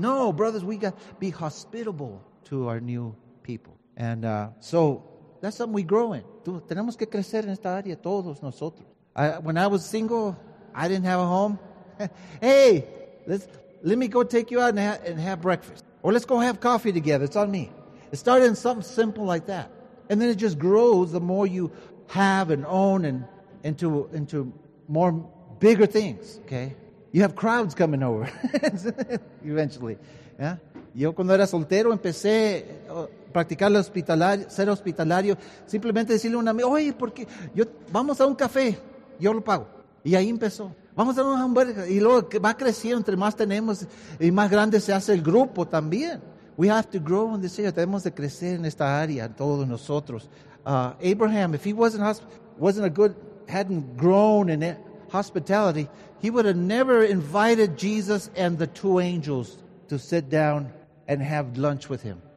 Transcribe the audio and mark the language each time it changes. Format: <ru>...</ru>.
<en>No, brothers, we got to be hospitable to our new people. And so that's something we grow in.</en> <es>Tenemos que crecer en esta área todos nosotros.</es> <en>When I was single, I didn't have a home. Hey, let me go take you out and have breakfast. Or let's go have coffee together. It's on me. It started in something simple like that. And then it just grows the more you have and own and into more bigger things, okay? you have crowds coming over eventually. Yeah?</en> <es>Yo cuando era soltero empecé a practicar el hospitalario, ser hospitalario, simplemente decirle a un amigo, oye, porque yo vamos a un café, yo lo pago. Y ahí empezó. Vamos a un hamburger. Y luego va creciendo, entre más tenemos y más grande se hace el grupo también.</es> <en>We have to grow in this area.</en> <es>Tenemos de crecer en esta área, todos nosotros.</es> <en>Abraham, if he hadn't grown in hospitality, he would have never invited Jesus and the two angels to sit down and have lunch with him.</en>